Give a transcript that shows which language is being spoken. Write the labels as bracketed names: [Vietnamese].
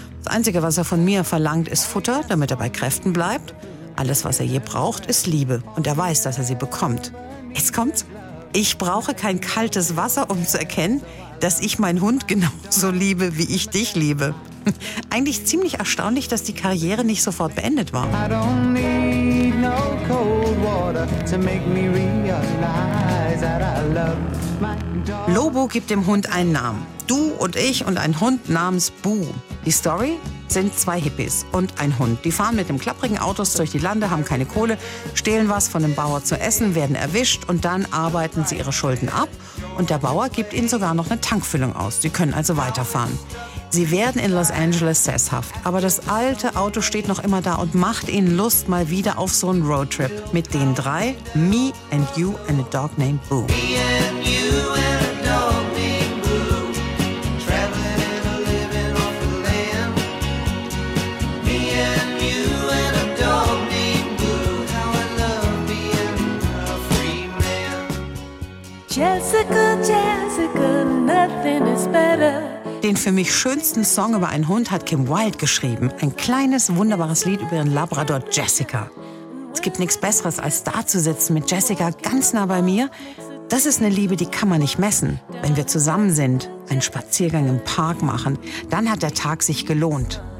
[German] Das Einzige, was er von mir verlangt, ist Futter, damit er bei Kräften bleibt. Alles, was er je braucht, ist Liebe. Und er weiß, dass er sie bekommt. Jetzt kommt's. Ich brauche kein kaltes Wasser, um zu erkennen, dass ich meinen Hund genauso liebe, wie ich dich liebe. Eigentlich ziemlich erstaunlich, dass die Karriere nicht sofort beendet war. [English] I don't need no cold water to make me realize that I love my dog. [German] Lobo gibt dem Hund einen Namen. Du und ich und ein Hund namens Boo. Die Story? Sind zwei Hippies und ein Hund. Die fahren mit dem klapprigen Autos durch die Lande, haben keine Kohle, stehlen was von dem Bauer zu essen, werden erwischt und dann arbeiten sie ihre Schulden ab. Und der Bauer gibt ihnen sogar noch eine Tankfüllung aus. Sie können also weiterfahren. Sie werden in Los Angeles sesshaft. Aber das alte Auto steht noch immer da und macht ihnen Lust mal wieder auf so einen Roadtrip. Mit den drei, Me and You and a Dog Named Boo. [English] Jessica, Jessica, nothing is better. [German] Den für mich schönsten Song über einen Hund hat Kim Wilde geschrieben. Ein kleines, wunderbares Lied über ihren Labrador Jessica. Es gibt nichts Besseres, als da zu sitzen mit Jessica ganz nah bei mir. Das ist eine Liebe, die kann man nicht messen. Wenn wir zusammen sind, einen Spaziergang im Park machen, dann hat der Tag sich gelohnt.